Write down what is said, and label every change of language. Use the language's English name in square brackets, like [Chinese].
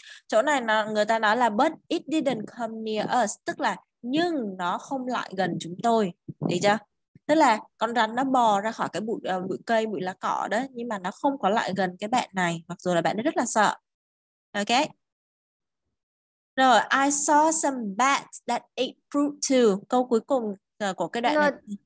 [Vietnamese] Chỗ này người ta nói là [English] but it didn't come near us, [Vietnamese] tức là nhưng nó không lại gần chúng tôi, thấy chưa? Tức là con rắn nó bò ra khỏi cái bụi cây, bụi lá cỏ đó, nhưng mà nó không có lại gần cái bạn này, mặc dù là bạn nó rất là sợ. Ok. [English] Rồi, I saw some bats that ate fruit too. [Vietnamese] Câu cuối cùng của cái đoạn này.